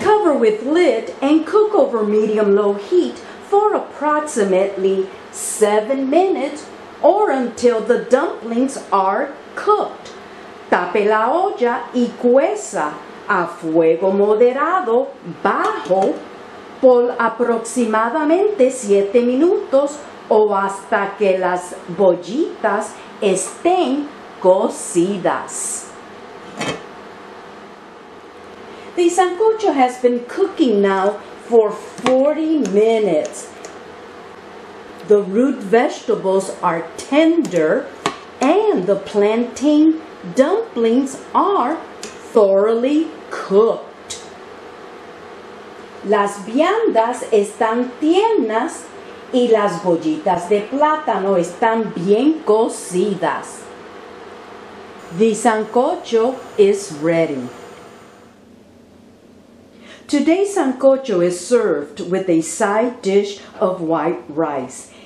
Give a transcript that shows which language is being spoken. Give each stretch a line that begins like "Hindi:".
English: With lid and cook over medium-low heat for approximately 7 minutes or until the dumplings are cooked.
Spanish: Tape la olla y cueza a fuego moderado bajo por aproximadamente 7 minutos o hasta que las bollitas estén cocidas.
English: The sancocho has been cooking now for 40 minutes. The root vegetables are tender and the plantain dumplings are thoroughly cooked.
Spanish: Las viandas están tiernas y las bollitas de plátano están bien cocidas.
English: The sancocho is ready. Today, sancocho is served with a side dish of white rice.